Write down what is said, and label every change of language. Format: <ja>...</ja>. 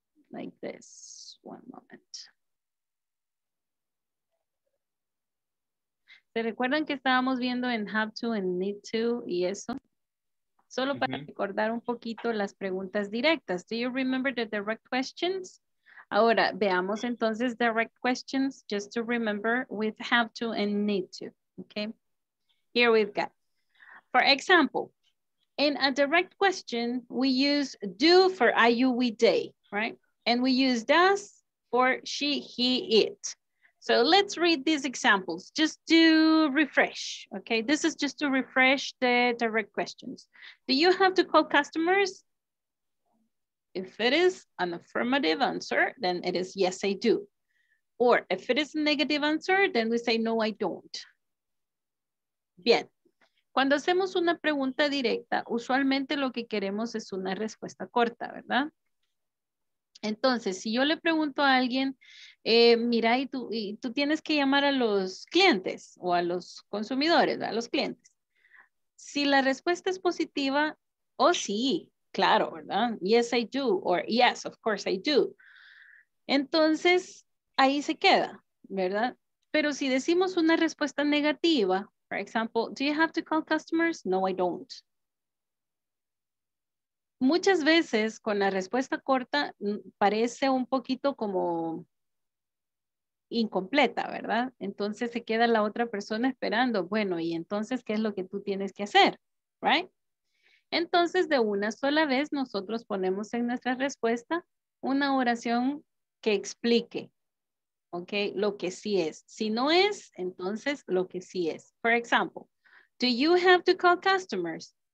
<en>Like this, one moment.</en> <es>¿Se recuerdan que estábamos viendo en</es> <en>have to and need to</en> <es>y eso? Solo para recordar un poquito las preguntas directas.</es> <en>Do you remember the direct questions?</en> <es>Ahora, veamos entonces</es> <en>direct questions just to remember with have to and need to, okay? Here we've got, for example, in a direct question, we use do for I, you, we, they, right? And we use does for she, he, it. So let's read these examples just to refresh, okay? This is just to refresh the direct questions. Do you have to call customers? If it is an affirmative answer, then it is yes, I do. Or if it is a negative answer, then we say no, I don't.</en> <es>Bien. Cuando hacemos una pregunta directa, usualmente lo que queremos es una respuesta corta, ¿verdad? Entonces, si yo le pregunto a alguien, mira, y tú tienes que llamar a los clientes o a los consumidores, ¿verdad? A los clientes. Si la respuesta es positiva, oh sí, claro, ¿verdad?</es> <en>Yes, I do, or yes, of course I do.</en> <es>Entonces, ahí se queda, ¿verdad? Pero si decimos una respuesta negativa,</es> <en>for example, do you have to call customers? No, I don't.</en> <es>Muchas veces con la respuesta corta parece un poquito como incompleta, ¿verdad? Entonces se queda la otra persona esperando. Bueno, y entonces, ¿qué es lo que tú tienes que hacer?</es> <en>Right?</en> <es>Entonces, de una sola vez, nosotros ponemos en nuestra respuesta una oración que explique, ¿ok? Lo que sí es. Si no es, entonces lo que sí es.</es> <en>For example, do you have to call customers?</en>